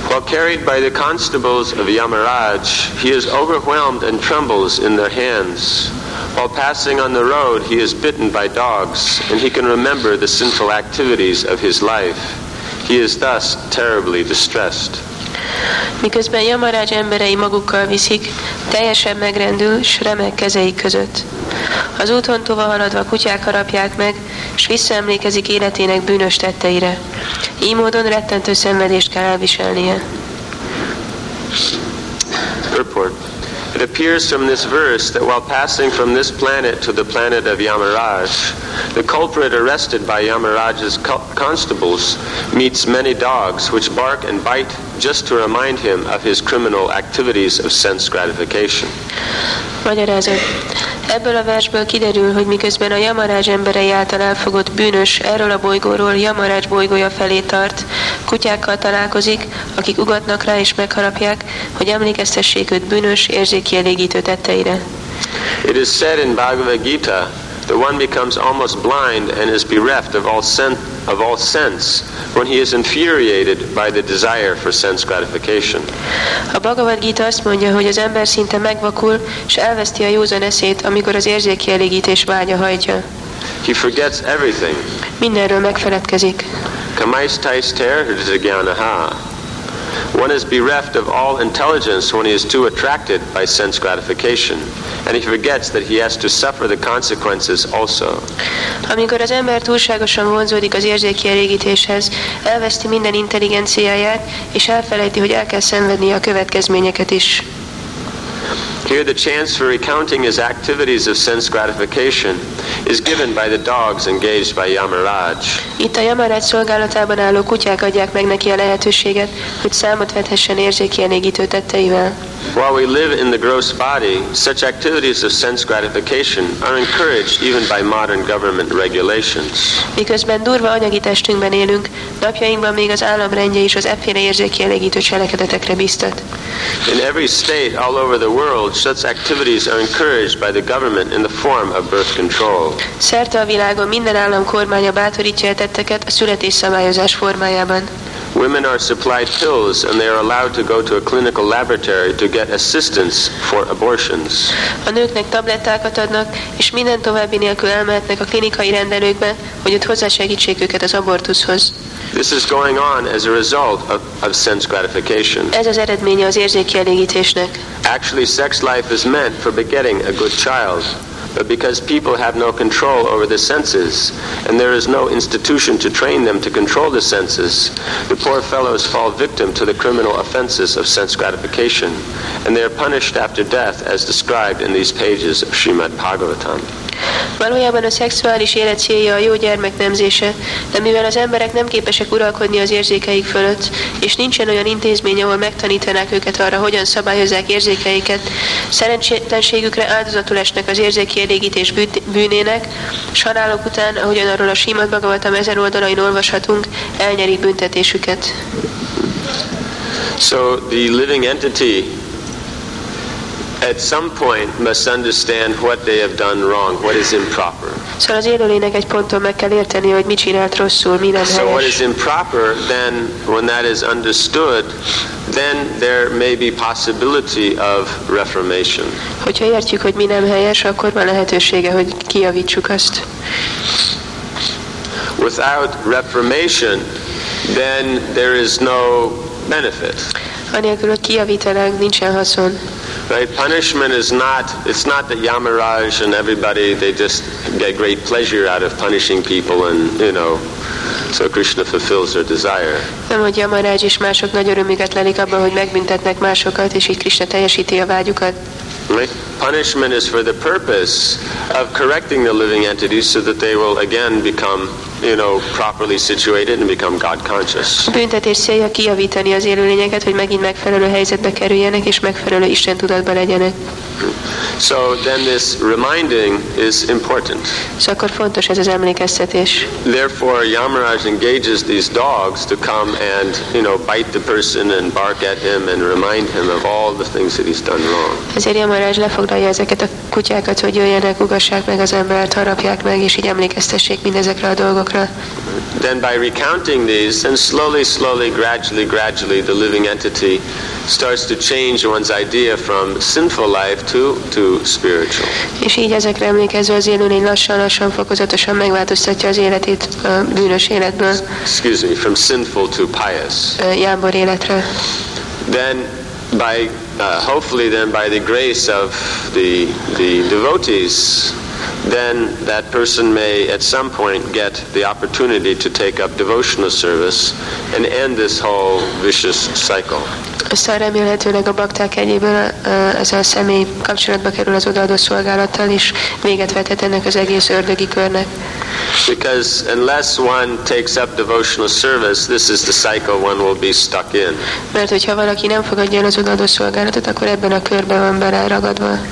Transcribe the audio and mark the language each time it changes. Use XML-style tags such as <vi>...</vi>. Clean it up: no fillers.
<en>While carried by the constables of Yamaraj, he is overwhelmed and trembles in their hands. While passing on the road, he is bitten by dogs, and he can remember the sinful activities of his life. He is thus terribly distressed.</en> <hu>Miközben Yamaraj emberei magukkal viszik, teljesen megrendül, s remeg kezei között. Az úton tova haladva kutyák harapják meg, s visszaemlékezik életének bűnös tetteire. Így módon rettentő szenvedést kell elviselnie.</hu> <en>Report. It appears from this verse that while passing from this planet to the planet of Yamaraj, the culprit arrested by Yamaraj's constables meets many dogs which bark and bite just to remind him of his criminal activities of sense gratification.</en> <hu>Magyarázat. Ebből a versből kiderül, hogy miközben a Yamaraj emberei által elfogott bűnös erről a bolygóról Yamaraj bolygója felé tart, kutyákkal találkozik, akik ugatnak rá és megharapják, hogy emlékeztessék őt bűnös, érzékkielégítő tetteire.</hu> <en>It is said in Bhagavad Gita that one becomes almost blind and is bereft of all sense when he is infuriated by the desire for sense gratification.</en> <hu>A Bhagavad Gita azt mondja, hogy az ember szinte megvakul, s elveszti a józan eszét, amikor az érzékkielégítés vágya hajtja.</hu> <en>He forgets everything.</en> <hu>Mindenről megfeledkezik. Kamais tais ter hrdzagyanaha.</hu> <en>One is bereft of all intelligence when he is too attracted by sense gratification, and he forgets that he has to suffer the consequences also.</en> <hu>Amikor az ember túlságosan vonzódik az érzékkielégítéshez, elveszti minden intelligenciáját, és elfelejti, hogy el kell szenvednie a következményeket is.</hu> <en>Here the chance for recounting his activities of sense gratification is given by the dogs engaged by Yamaraj.</en> <hu>Itt a Yamaraj szolgálatában álló kutyák adják meg neki a lehetőséget, hogy számot vethessen érzékkielégítő tetteivel.</hu> <en>While we live in the gross body, such activities of sense gratification are encouraged even by modern government regulations.</en> <hu>Miközben durva anyagi testünkben élünk, napjainkban még az államrendje is az efféle érzékkielégítő cselekedetekre biztat.</hu> <en>In every state all over the world, such activities are encouraged by the government in the form of birth control.</en> <hu>Szerte a világon minden állam kormánya bátorítja a tetteket a születésszabályozás formájában.</hu> <en>Women are supplied pills and they are allowed to go to a clinical laboratory to get assistance for abortions.</en> <hu>A nőknek tablettákat adnak, és minden további nélkül elmehetnek a klinikai rendelőkbe, hogy ott hozzásegítsék őket az abortuszhoz.</hu> <en>This is going on as a result of sense gratification.</en> <hu>Ez az eredménye az érzékkielégítésnek.</hu> <en>Actually, sex life is meant for begetting a good child. But because people have no control over the senses, and there is no institution to train them to control the senses, the poor fellows fall victim to the criminal offenses of sense gratification, and they are punished after death as described in these pages of Srimad Bhagavatam.</en> <hu>Valójában a szexuális élet célja a jó gyermek nemzése, de mivel az emberek nem képesek uralkodni az érzékeik fölött, és nincsen olyan intézmény, ahol megtanítanák őket arra, hogyan szabályozzák érzékeiket, szerencsétlenségükre áldozatul esnek az érzékkielégítés bűnének, s halálok után, ahogyan arról a Srimad Bhagavatam 1000 oldalain olvashatunk, elnyerik büntetésüket.</hu> <en>So the living entity at some point must understand what they have done wrong, what is improper.</en> <hu>So az élőlénynek egy ponton meg kell érteni, hogy mit csinált rosszul, mi nem helyes.</hu> <en>So what is improper, then when that is understood, then there may be possibility of reformation.</en> <hu>Hogyha értjük, hogy mi nem helyes, akkor van lehetősége, hogy kijavítsuk azt.</hu> <en>Without reformation, then there is no benefit.</en> <hu>Anélkül, hogy kijavítanánk, nincsen haszon.</hu> <en>Right, punishment is not—it's not that Yamaraj and everybody they just get great pleasure out of punishing people, and you know, so Krishna fulfills their desire.</en> <hu>Nem, hogy Yamaraj és mások nagy örömüket lelik abban, hogy megbüntetnek másokat, és így Krishna teljesíti a vágyukat.</hu> <en>Right, punishment is for the purpose of correcting the living entities so that they will again become, you know, properly situated and become God conscious.</en> <hu>A büntetés célja kijavítani az élőlényeket, hogy megint megfelelő helyzetbe kerüljenek és megfelelő Isten tudatba legyenek.</hu> <en>So then this reminding is important.</en> <hu>So akkor fontos ez az emlékeztetés.</hu> <en>Therefore Yamaraj engages these dogs to come and, you know, bite the person and bark at him and remind him of all the things that he's done wrong.</en> <hu>Ezért Yamaraj lefoglalja ezeket a kutyákat, hogy jöjjenek, ugassák meg az embert, harapják meg, és így emlékeztessék mindezekre a dolgokra. dolgokra.</hu> <en>Then by recounting these, then slowly, slowly, gradually, gradually, the living entity starts to change one's idea from sinful life to spiritual.</en> <hu>És így ezekre emlékezve az élőn egy lassan-lassan fokozatosan megváltoztatja az életét a bűnös életből.</hu> <en>Excuse me, from sinful to pious.</en> <hu>Jámbor életre.</hu> <en>Then by hopefully then by the grace of the devotees, then that person may at some point get the opportunity to take up devotional service and end this whole vicious cycle.</en> <hu>Aztán remélhetőleg a bakták egyéből ez a személy kapcsolatba kerül az odaadó szolgálattal, és véget vethet ennek az egész ördögi körnek.</hu> <en>Because unless one takes up devotional service, this is the cycle one will be stuck in.</en> <hu>Mert hogyha valaki nem fogadja el az odaadó szolgálatot, akkor ebben a körben van beleragadva.</hu>